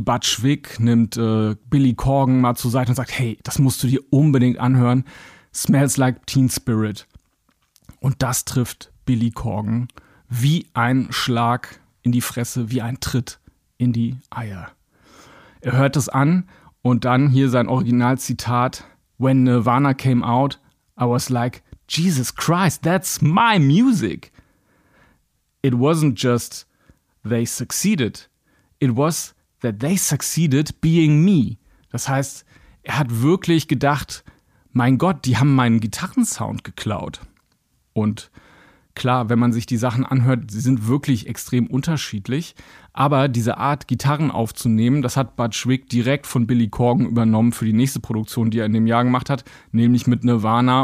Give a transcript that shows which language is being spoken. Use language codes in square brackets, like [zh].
[de] Butch Vig nimmt Billy Corgan mal zur Seite und sagt, hey, das musst du dir unbedingt anhören. Smells Like Teen Spirit. Und das trifft Billy Corgan wie ein Schlag in die Fresse, wie ein Tritt in die Eier. Er hört es an und dann hier sein Originalzitat. [en] When Nirvana came out, I was like, Jesus Christ, that's my music. It wasn't just they succeeded, it was that they succeeded being me. [de] Das heißt, er hat wirklich gedacht, mein Gott, die haben meinen Gitarrensound geklaut. Und klar, wenn man sich die Sachen anhört, sie sind wirklich extrem unterschiedlich. Aber diese Art, Gitarren aufzunehmen, das hat Butch Vig direkt von Billy Corgan übernommen für die nächste Produktion, die er in dem Jahr gemacht hat, nämlich mit Nirvana.